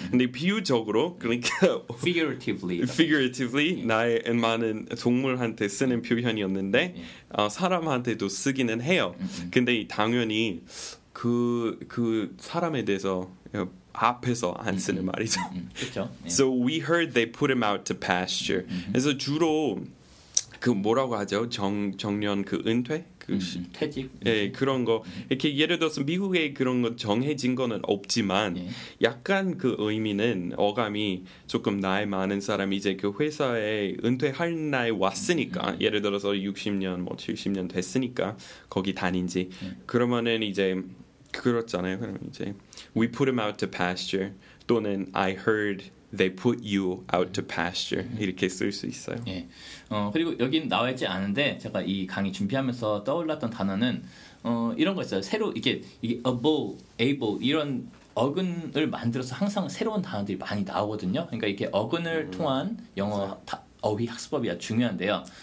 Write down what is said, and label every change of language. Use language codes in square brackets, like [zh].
[ko] 근데 비유적으로 그러니까 [en] figuratively [ko] 나의 많은 동물한테 쓰는 표현이었는데 사람한테도 쓰기는 해요. 근데 당연히 그 사람에 대해서 앞에서 안 쓰는 말이죠. 그렇죠. [en] So we heard they put him out to pasture. [ko] 그래서 주로 그 뭐라고 하죠? 정년 그 은퇴? 그 퇴직? 예, 그런 거. 이렇게 예를 들어서 미국에 그런 거 정해진 거는 없지만 약간 그 의미는 어감이 조금 나이 많은 사람이 이제 그 회사에 은퇴할 나이 왔으니까 예를 들어서 60년, 뭐 70년 됐으니까 거기 다닌지 그러면은 이제 그렇잖아요. 그러면 이제 [en] We put him out to pasture 또는 I heard They put you out to pasture. [ko] 이렇게 쓸 수 있어요. 예. 그리고 여긴 나와 있지 않은데 제가 이 강의 준비하면서 떠올랐던 단어는 이런 거 있어요. 새로 이게 able 이런 어근을 만들어서 항상 새로운 단어들이 많이 나오거든요. 그러니까 이렇게 어근을 통한 영어 어휘 학습법이 아주 중요한데요.